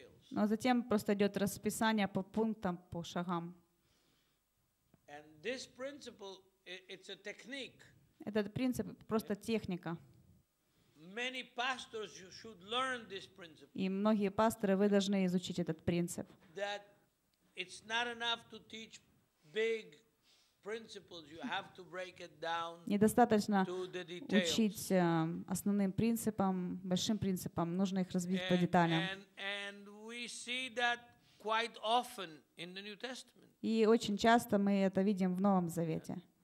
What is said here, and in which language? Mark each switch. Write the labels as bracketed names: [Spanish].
[Russian] Но затем просто идет расписание по пунктам, по шагам. [English] This principle, it's a technique. [Russian] Этот принцип просто техника. [English] Many pastors should learn this principle. [Russian] И многие пасторы, вы должны изучить этот принцип. [English] That it's not enough to teach big principles, you have to break it down. [Russian] Недостаточно учить основным принципам, большим принципам, нужно их разбить по деталям. [English] And we see that quite often in the New Testament. [Russian] И очень часто мы это видим в Новом Завете.